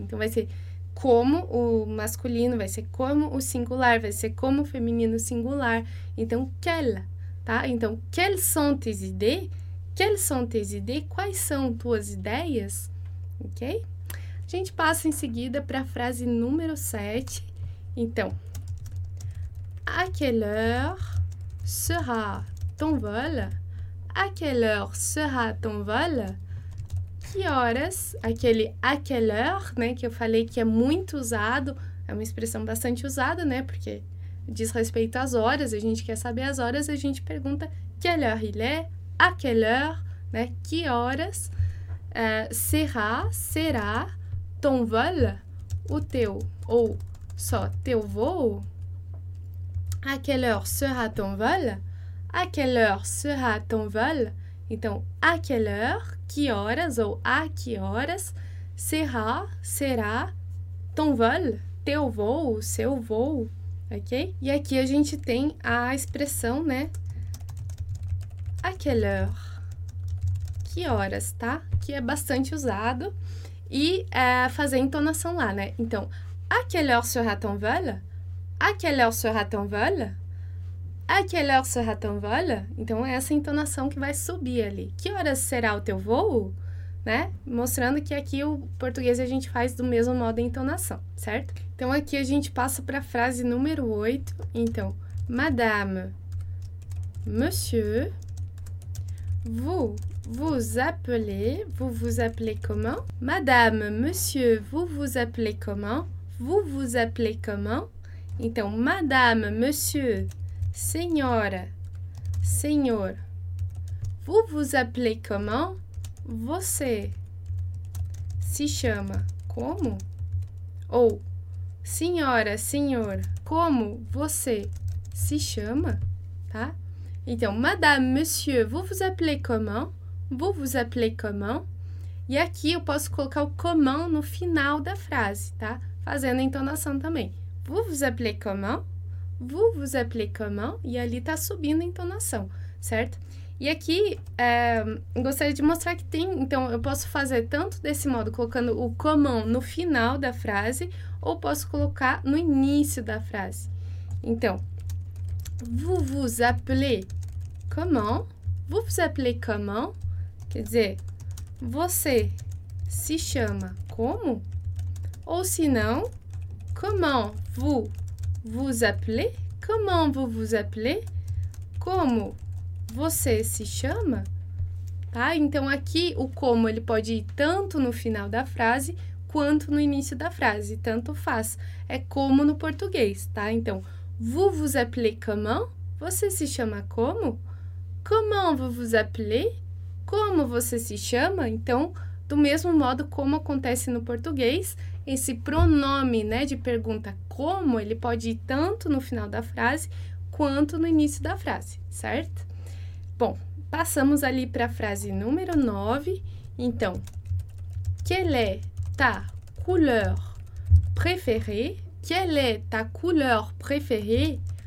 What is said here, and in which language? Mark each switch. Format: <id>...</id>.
<pt>Então, vai ser como o masculino, vai ser como o singular, vai ser como o feminino singular.</pt> <fr>Então, quel,</fr> <pt>tá? Então,</pt> <fr>quelles sont tes idées? Quelles sont tes idées?</fr> <pt>Quais são tuas ideias? Ok? A gente passa em seguida para a frase número 7.</pt> <fr>Então, à quelle heure sera ton vol? À quelle heure sera ton vol?</fr> <pt>Que horas? Aquele à quelle heure, né, que eu falei que é muito usado, é uma expressão bastante usada, né, porque diz respeito às horas, a gente quer saber as horas, a gente pergunta</pt> <fr>quelle heure il est? À quelle heure,</fr> <pt>né, que horas será</pt> <fr>ton vol,</fr> <pt>o teu ou só teu voo?</pt> <fr>À quelle heure sera ton vol? À quelle heure sera ton vol? Então, à quelle heure, que horas ou à que horas será ton vol, teu voo, seu voo, ok?</fr> <pt>E aqui a gente tem a expressão, né?</pt> <fr>À quelle heure,</fr> <pt>que horas, tá? Que é bastante usado e fazer a entonação lá, né?</pt> <fr>Então, à quelle heure sera ton vol? À quelle heure sera ton vol? À quelle heure sera ton vol?</fr> <pt>Então, é essa entonação que vai subir ali. Que horas será o teu voo? Né? Mostrando que aqui o português a gente faz do mesmo modo a entonação, certo? Então, aqui a gente passa para a frase número 8.</pt> <fr>Então, Madame, Monsieur, vous vous appelez comment? Madame, Monsieur, vous vous appelez comment? Vous vous appelez comment? Então, Madame, Monsieur,</fr> <pt>Senhora, senhor,</pt> <fr>vous vous appelez comment?</fr> <pt>Você se chama como? Ou, senhora, senhor, como você se chama? Tá? Então,</pt> <fr>Madame, Monsieur, vous vous appelez comment? Vous vous appelez comment?</fr> <pt>E aqui eu posso colocar o comment no final da frase, tá? Fazendo a entonação também.</pt> <fr>Vous vous appelez comment? Vous vous appelez comment?</fr> <pt>E ali tá subindo a entonação, certo? E aqui, gostaria de mostrar que tem. Então, eu posso fazer tanto desse modo, colocando o comment no final da frase, ou posso colocar no início da frase.</pt> <fr>Então, vous vous appelez comment? Vous vous appelez comment?</fr> <pt>Quer dizer, você se chama como? Ou se não,</pt> <fr>comment vous vous appelez? Comment vous vous appelez?</fr> <pt>Como você se chama? Tá? Então aqui o como ele pode ir tanto no final da frase quanto no início da frase, tanto faz. É como no português, tá? Então,</pt> <fr>vous vous appelez comment?</fr> <pt>Você se chama como?</pt> <fr>Comment vous vous appelez?</fr> <pt>Como você se chama? Então, do mesmo modo como acontece no português, esse pronome, né, de pergunta como, ele pode ir tanto no final da frase quanto no início da frase, certo? Bom, passamos ali para a frase número 9.</pt> <fr>Então, quelle est ta couleur préférée? Quelle est ta couleur préférée?</fr>